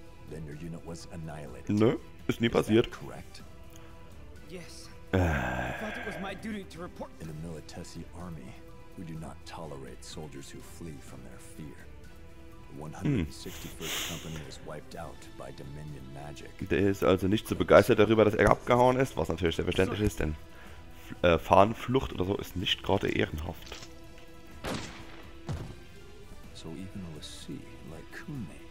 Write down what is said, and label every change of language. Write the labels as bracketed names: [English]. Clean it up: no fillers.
[English] Then your unit was annihilated. [German] Nö, ist nie passiert. [English] Correct. Yes. I thought it was my duty to report. In the Militesi army, we do not tolerate soldiers who flee from their fear. The 161st company was wiped out by Dominion magic. [German] Der ist also nicht so begeistert darüber, dass er abgehauen ist, was natürlich sehr verständlich ist, denn Fahnenflucht oder so ist nicht gerade ehrenhaft. [English] So even though a sea like Kune